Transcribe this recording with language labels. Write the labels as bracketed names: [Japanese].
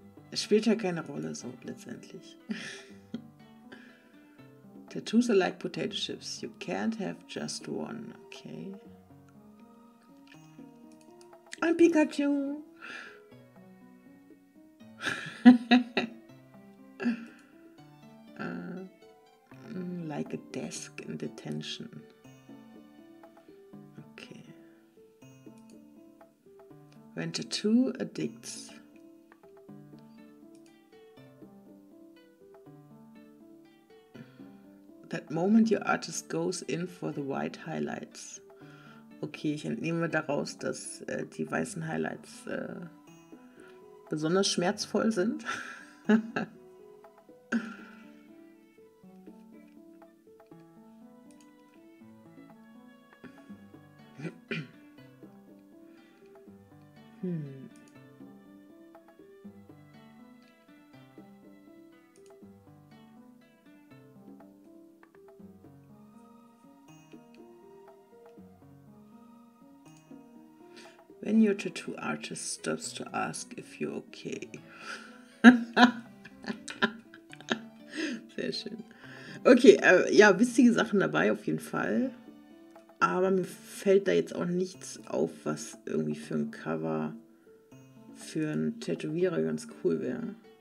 [German] Es spielt ja keine Rolle, so letztendlich. [English] Tattoos are like potato chips. You can't have just one, okay? [German] Ein Pikachu! [English] like a desk in detention. When Tattoo Addicts. That moment your artist goes in for the white highlights. [German] Okay, ich entnehme daraus, dass die weißen Highlights besonders schmerzvoll sind. [English] When your tattoo artist stops to ask if you're okay. [German] Sehr schön. Okay, ja, witzige Sachen dabei auf jeden Fall. Aber mir fällt da jetzt auch nichts auf, was irgendwie für ein Cover für einen Tätowierer ganz cool wäre.